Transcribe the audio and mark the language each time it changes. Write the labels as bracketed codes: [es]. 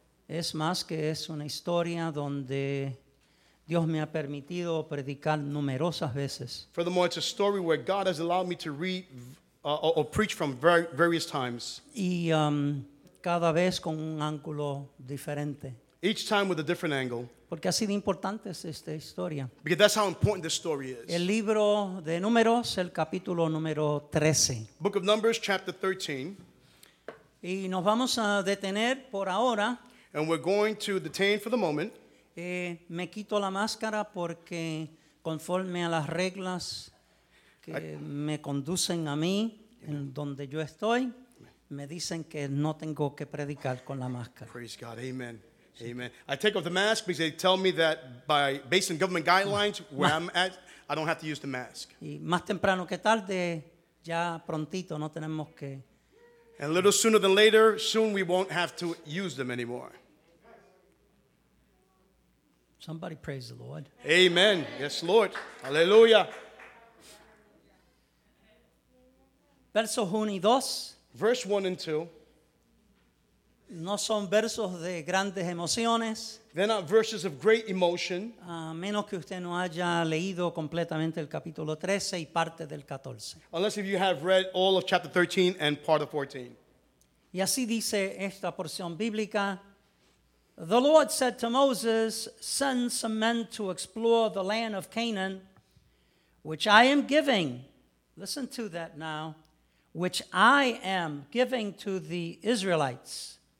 [es] Es más que es una historia donde Dios me ha permitido predicar numerosas veces. [en] Furthermore, it's a story where God has allowed me to read or preach from various times. [es] Y cada vez con un ángulo diferente. [en] Each time with a different angle. [es] Porque ha sido importante esta historia. [en] Because that's how important this story is. [es] El libro de Números, el capítulo número 13. [en] Book of Numbers, chapter 13. [es] Y nos vamos a detener por ahora. [en] And we're going to detain for the moment. [es] Me quito la máscara porque conforme a las reglas que me conducen a mí, en donde yo estoy, me dicen que no tengo que predicar con la máscara. [en] Praise God. Amen. Amen. I take off the mask because they tell me that based on government guidelines where I'm at, I don't have to use the mask. [es] Y más temprano que tarde, ya prontito no tenemos que. [en] And a little sooner than later, soon we won't have to use them anymore. Somebody praise the Lord. Amen. Yes, Lord. Hallelujah. [es] Versos 1 y 2. [en] Verse 1 and 2. [es] No son versos de grandes emociones. [en] They're not verses of great emotion. [es] A menos que usted no haya leído completamente el capítulo 13 y parte del 14. [en] Unless if you have read all of chapter 13 and part of 14. [es] Y así dice esta porción bíblica. [en] The Lord said to Moses, send some men to explore the land of Canaan, which I am giving. Listen to that now. Which I am giving to the Israelites.